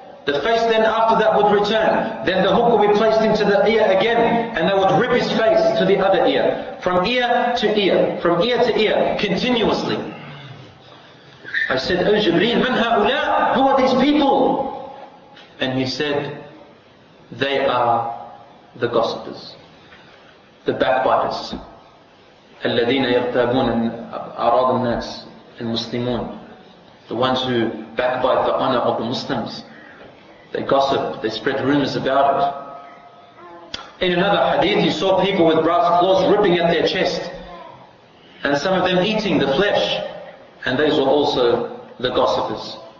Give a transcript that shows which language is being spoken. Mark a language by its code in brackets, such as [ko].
[en] The face then after that would return. Then the hook would be placed into the ear again and they would rip his face to the other ear. From ear to ear, from ear to ear, continuously. I said, O Jibreel, [ar] man ha'ula? [en] Who are these people? And he said, they are the gossipers. the backbiters. [ar] الذين يغتابون أعراض الناس المسلمون. [en] The ones who backbite the honor of the Muslims. They gossip, they spread rumors about it. In another hadith, you saw people with brass claws ripping at their chest, and some of them eating the flesh, and those were also the gossipers.